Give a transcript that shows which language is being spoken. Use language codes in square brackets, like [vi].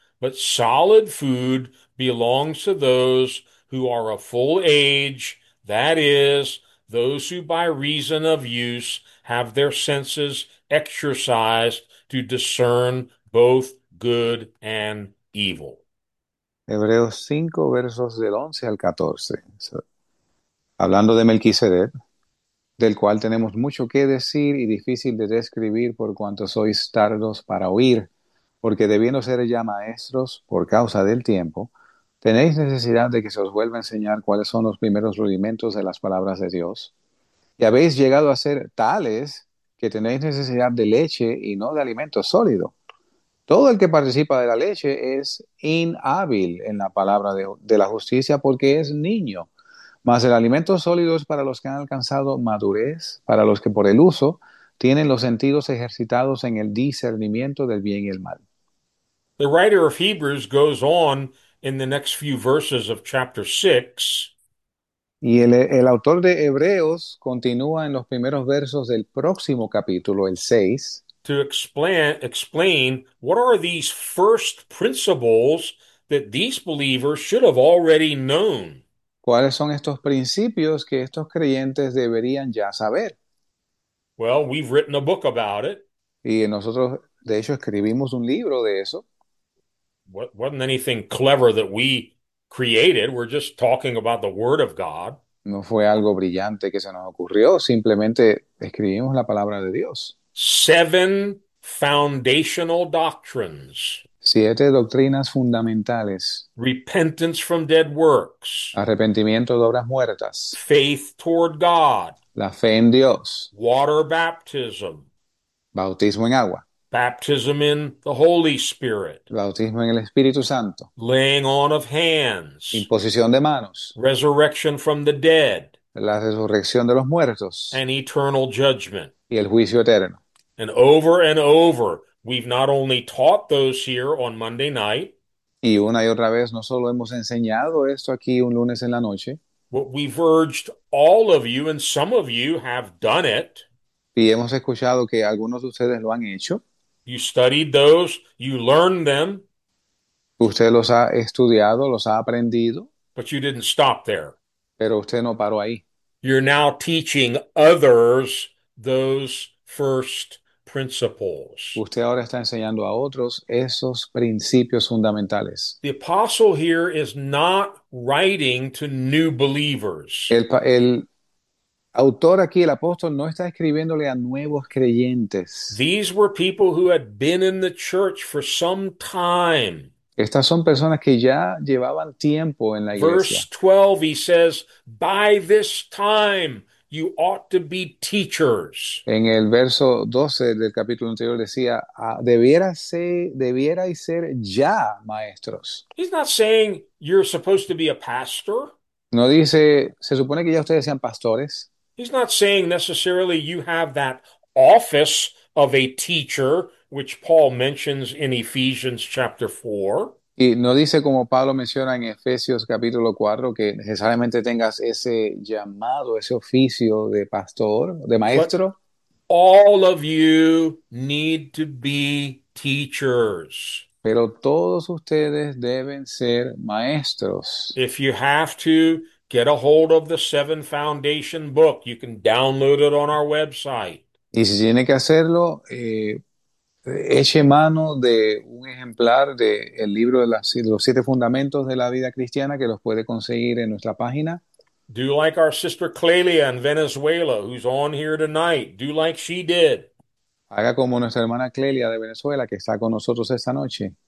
[en] But solid food belongs to those who are of full age, that is, those who by reason of use have their senses exercised to discern both good and evil. [es] Hebreos 5, versos del 11 al 14. Hablando de Melquisedec, del cual tenemos mucho que decir y difícil de describir por cuanto sois tardos para oír, porque debiendo ser ya maestros por causa del tiempo, tenéis necesidad de que se os vuelva a enseñar cuáles son los primeros rudimentos de las palabras de Dios. Y habéis llegado a ser tales que tenéis necesidad de leche y no de alimento sólido. Todo el que participa de la leche es inhábil en la palabra de la justicia porque es niño. Mas el alimento sólido es para los que han alcanzado madurez, para los que por el uso tienen los sentidos ejercitados en el discernimiento del bien y el mal. [en] The writer of Hebrews goes on in the next few verses of chapter 6. [es] Y el autor de Hebreos continúa en los primeros versos del próximo capítulo, el 6. [en] To explain what are these first principles that these believers should have already known. [es] ¿Cuáles son estos principios que estos creyentes deberían ya saber? [en] Well, we've written a book about it. [es] Y nosotros, de hecho, escribimos un libro de eso. [en] Wasn't anything clever that we created. We're just talking about the Word of God. [es] No fue algo brillante que se nos ocurrió, simplemente escribimos la palabra de Dios. [en] Seven foundational doctrines. [es] Siete doctrinas fundamentales. [en] Repentance from dead works. [es] Arrepentimiento de obras muertas, [en] Faith toward God. [es] la fe en Dios, [en] Water baptism. [es] bautismo en agua, [en] Baptism in the Holy Spirit. [es] bautismo en el Espíritu Santo, [en] Laying on of hands, [es] imposición de manos, [en] resurrection from the dead, [es] la resurrección de los muertos [en] and eternal judgment. [es] y el juicio eterno. [en] And over, we've not only taught those here on Monday night, [es] Y una y otra vez no solo hemos enseñado esto aquí un lunes en la noche, [en] but we've urged all of you, and some of you have done it. [es] y hemos escuchado que algunos de ustedes lo han hecho. [en] You studied those, you learned them. [es] Usted los ha estudiado, los ha aprendido, [en] But you didn't stop there. [es] pero usted no paró ahí. [en] You're now teaching others those first principles. [es] Usted ahora está enseñando a otros esos principios fundamentales. [en] The apostle here is not writing to new believers. [es] El autor aquí, el apóstol, no está escribiéndole a nuevos creyentes. [en] These were people who had been in the church for some time. [es] Estas son personas que ya llevaban tiempo en la iglesia. [en] Verse 12, he says, by this time you ought to be teachers. [es] En el verso 12 del capítulo anterior decía, debierais ser ya maestros. [en] He's not saying you're supposed to be a pastor. [es] No dice, se supone que ya ustedes sean pastores. [en] He's not saying necessarily you have that office of a teacher, which Paul mentions in Ephesians chapter 4. [es] Y no dice como Pablo menciona en Efesios capítulo 4 que necesariamente tengas ese llamado, ese oficio de pastor, de [en] But [es] maestro. [en] all of you need to be teachers. [es] Pero todos ustedes deben ser maestros. [en] If you have to Get a hold of the Seven Foundation book. You can download it on our website. [es] Y si tiene que hacerlo, eche mano de un ejemplar del libro de los siete fundamentos de la vida cristiana que los puede conseguir en nuestra página. [en] Do like our sister Clelia in Venezuela, who's on here tonight. Do like she did. [es] Haga como nuestra hermana Clelia de Venezuela que está con nosotros esta noche.